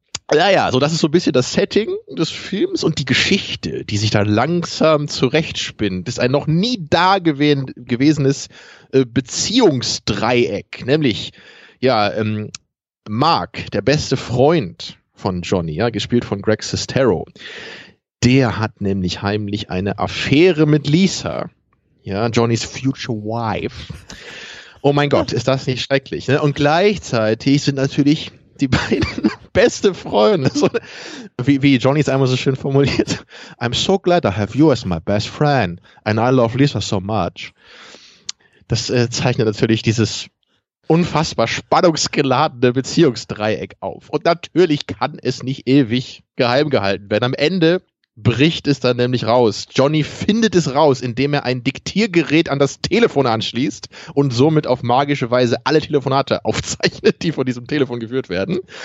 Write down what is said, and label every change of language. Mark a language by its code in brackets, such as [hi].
[de] Naja, so das ist so ein bisschen das Setting des Films, und die Geschichte, die sich da langsam zurechtspinnt, ist ein noch nie dagewesenes Beziehungsdreieck, nämlich ja, Mark, der beste Freund von Johnny, ja, gespielt von Greg Sestero, der hat nämlich heimlich eine Affäre mit Lisa, ja, Johnnys [en] Future Wife. [de] Oh mein Gott, ist das nicht schrecklich, ne? Und gleichzeitig sind natürlich die beiden beste Freunde. So, wie Johnny es einmal so schön formuliert. [en] I'm so glad I have you as my best friend and I love Lisa so much. [de] Das zeichnet natürlich dieses unfassbar spannungsgeladene Beziehungsdreieck auf. Und natürlich kann es nicht ewig geheim gehalten werden. Am Ende bricht es dann nämlich raus. Johnny findet es raus, indem er ein Diktiergerät an das Telefon anschließt und somit auf magische Weise alle Telefonate aufzeichnet, die von diesem Telefon geführt werden.